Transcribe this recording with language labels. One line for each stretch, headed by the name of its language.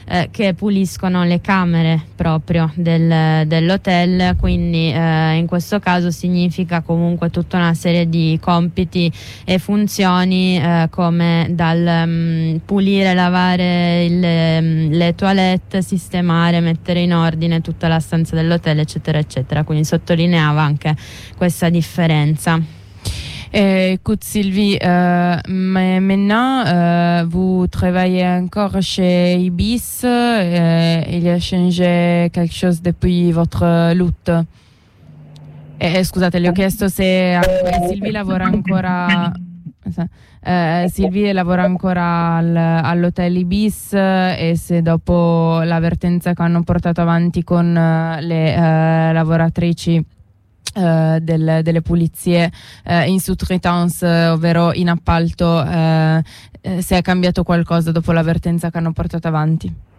Italian: che puliscono le camere proprio dell'hotel, quindi in questo caso significa comunque tutta una serie di compiti e funzioni, come dal pulire, lavare le toilette, sistemare, mettere in ordine tutta la stanza dell'hotel, eccetera eccetera. Quindi sottolineava anche questa differenza.
French: Écoute Sylvie, mais maintenant vous travaillez encore chez Ibis, il a changé quelque chose depuis votre lutte.
Italian: Scusate, le ho chiesto se Sylvie lavora ancora all'hotel Ibis, e se dopo l'avvertenza che hanno portato avanti con le lavoratrici delle pulizie in sous-traitance, ovvero in appalto, se è cambiato qualcosa dopo l'avvertenza che hanno portato avanti.